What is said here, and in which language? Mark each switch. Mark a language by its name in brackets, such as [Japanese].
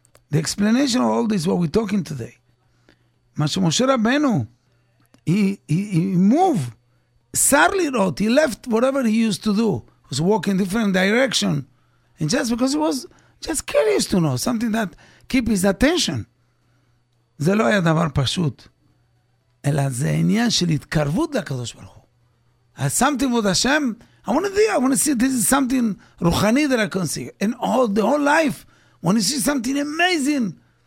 [English] The explanation of all this, what we're talking today. Moshe Rabbeinu, he moved. [Hebrew] Sar lirot, [English] he left whatever he used to do. He was walking in different direction. And just because he was just curious to know, something that keep his attention. [Hebrew] זה לא היה דבר פשוט, אלא זה העניין של התקרבות לקדוש ברוך הוא. [English] Something with Hashem, I want to see this is something רוחני that I can see. And all, the whole life, when you see something amazing.